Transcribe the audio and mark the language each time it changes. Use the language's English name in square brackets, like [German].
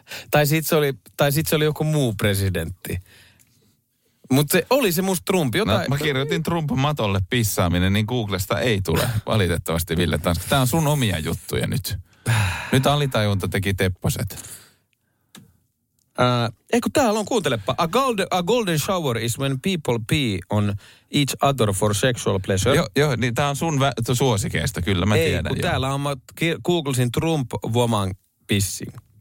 [Finnish] Tai sit se oli joku muu presidentti. Mutta se oli se musta Trump. Mä kirjoitin Trump matolle pissaaminen, niin Googlesta ei tule valitettavasti, Ville Tanska. Tää on sun omia juttuja nyt. Nyt alitajunta teki tepposet. Eikö täällä on, kuuntelepa. [English] A golden shower is when people pee on each other for sexual pleasure. [Finnish] Joo, niin tää on sun suosikeista, kyllä mä tiedän. Ei, kun täällä on, mä googlesin [English] Trump woman pissing.